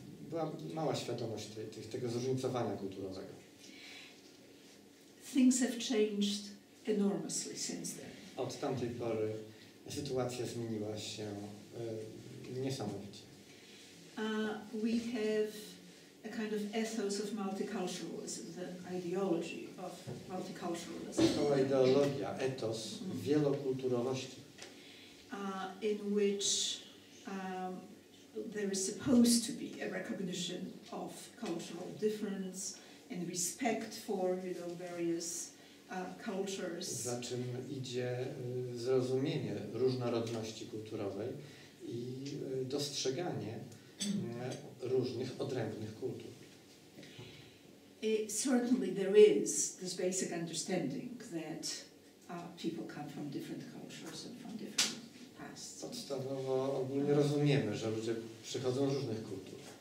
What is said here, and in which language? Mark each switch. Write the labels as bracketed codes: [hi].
[pl] Była mała świadomość tego zróżnicowania kulturowego. [en] Things have changed enormously since then. [pl] Od tamtej pory sytuacja zmieniła się niesamowicie. [en] We have a kind of ethos of multiculturalism, the ideology of multiculturalism. [pl] Cała ideologia, etos wielokulturowości. [en] In which there is supposed to be a recognition of cultural difference and respect for, you know, various cultures. [pl] Za czym idzie zrozumienie różnorodności kulturowej i dostrzeganie różnych odrębnych kultur. [en] Certainly there is this basic understanding that people come from different cultures and from different pasts. [pl] Podstawowo ogólnie rozumiemy, że ludzie przychodzą z różnych kultur.